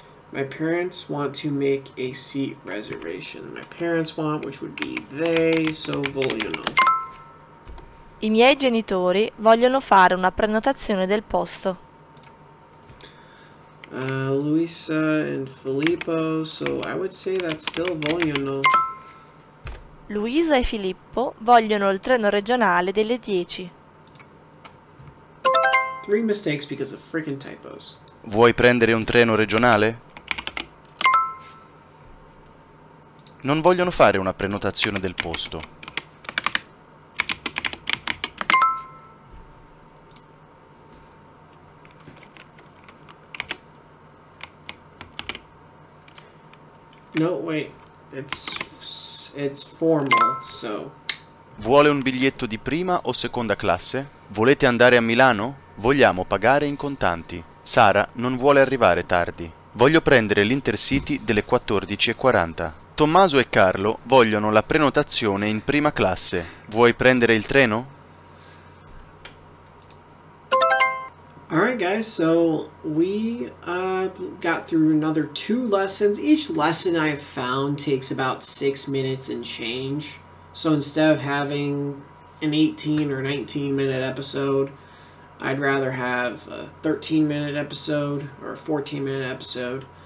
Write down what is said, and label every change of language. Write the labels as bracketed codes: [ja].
[en] My parents want to make a seat reservation. My parents want, which would be they, so [it] vogliono. I miei genitori vogliono fare una prenotazione del posto. [en] Luisa and Filippo, so I would say that still [it] vogliono. Luisa e Filippo vogliono il treno regionale delle 10. [en] Three mistakes because of freaking typos. [it] Vuoi prendere un treno regionale? Non vogliono fare una prenotazione del posto. [en] No, wait. It's formal, so. [it] Vuole un biglietto di prima o seconda classe? Volete andare a Milano? Vogliamo pagare in contanti. Sara non vuole arrivare tardi. Voglio prendere l'Intercity delle 14:40. Tommaso e Carlo vogliono la prenotazione in prima classe. Vuoi prendere il treno? [en] Alright guys, so we got through another two lessons. Each lesson I have found takes about 6 minutes and change. So instead of having an 18 or 19 minute episode, I'd rather have a 13 minute episode or a 14 minute episode.